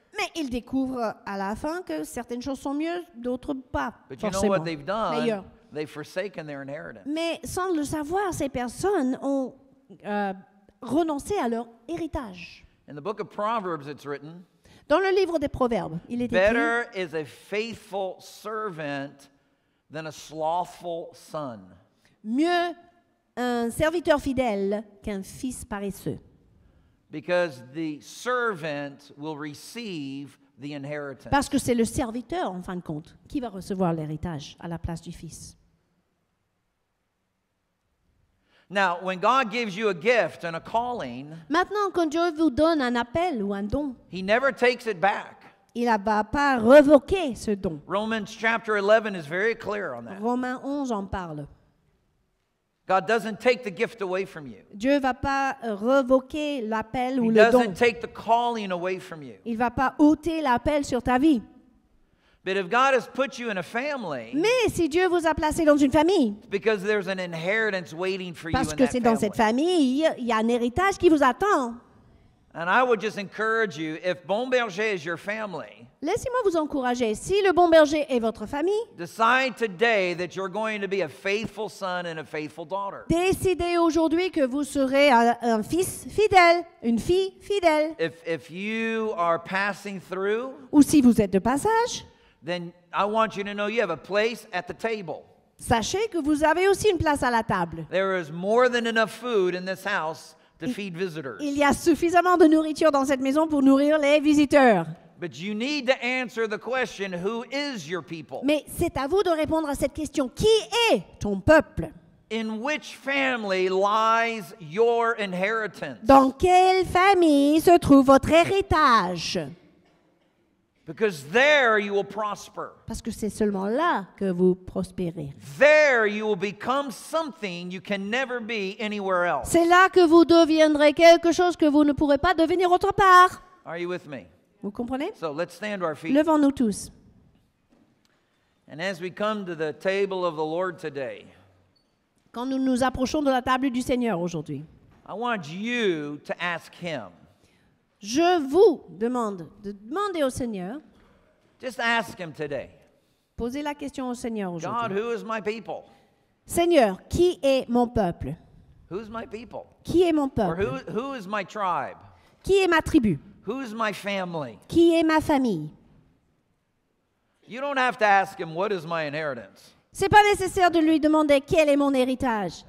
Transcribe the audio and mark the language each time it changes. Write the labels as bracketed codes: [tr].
[fr] Mais ils découvrent à la fin que certaines choses sont mieux, d'autres pas. [en] But you know what they've done? They've forsaken their inheritance. [fr] Mais sans le savoir, ces personnes ont renoncé à leur héritage. [en] In the book of Proverbs, it's written. [fr] Dans le livre des Proverbes, il est écrit. [en] Better is a faithful servant than a slothful son. [fr] Mieux un serviteur fidèle qu'un fils paresseux. [en] Because the servant will receive the inheritance. [fr] Parce que c'est le serviteur, en fin de compte, qui va recevoir l'héritage à la place du fils. [en] Now, when God gives you a gift and a calling, [fr] maintenant, quand Dieu vous donne un appel ou un don, [en] he never takes it back. [fr] Il ne va pas revoquer ce don. [en] Romans chapter 11 is very clear on that. [fr] Romains 11 en parle. [en] God doesn't take the gift away from you. [fr] Dieu va pas revoquer l'appel ou le don. [en] He doesn't take the calling away from you. [fr] Il va pas ôter l'appel sur ta vie. [en] But if God has put you in a family, [fr] mais si Dieu vous a placé dans une famille, [en] because there's an inheritance waiting for you in that family. [fr] Parce que c'est dans cette famille, il y a un héritage qui vous attend. [en] And I would just encourage you, if Bon Berger is your family, [fr] laissez-moi vous encourager, si le Bon Berger est votre famille, [en] decide today that you're going to be a faithful son and a faithful daughter. [fr] Décidez aujourd'hui que vous serez un fils fidèle, une fille fidèle. [en] If you are passing through, [fr] ou si vous êtes de passage, [en] then I want you to know you have a place at the table. [fr] Sachez que vous avez aussi une place à la table. [en] There is more than enough food in this house. To feed visitors. [fr] Il y a suffisamment de nourriture dans cette maison pour nourrir les visiteurs. [en] But you need to answer the question, who is your people? [fr] Mais c'est à vous de répondre à cette question, qui est ton peuple? [en] In which family lies your inheritance? [fr] Dans quelle famille se trouve votre héritage? [en] Because there you will prosper. [fr] Parce que c'est seulement là que vous prospérez. [en] There you will become something you can never be anywhere else. [fr] C'est là que vous deviendrez quelque chose que vous ne pourrez pas devenir autre part. [en] Are you with me? [fr] Vous comprenez? [en] So let's stand to our feet. [fr] Levons-nous tous. [en] And as we come to the table of the Lord today, [fr] quand nous nous approchons de la table du Seigneur aujourd'hui, [en] I want you to ask him. [fr] Je vous demande de demander au Seigneur. [en] Just ask him today. [fr] Posez la question au Seigneur aujourd'hui. [en] God, who is my people? [fr] Seigneur, qui est mon peuple? [en] Who's my people? [fr] Qui est mon peuple? [en] Or who is my tribe? [fr] Qui est ma tribu? [en] Who's my family? [fr] Qui est ma famille? [en] You don't have to ask him what is my inheritance. [fr] C'est pas nécessaire de lui demander quel est mon héritage.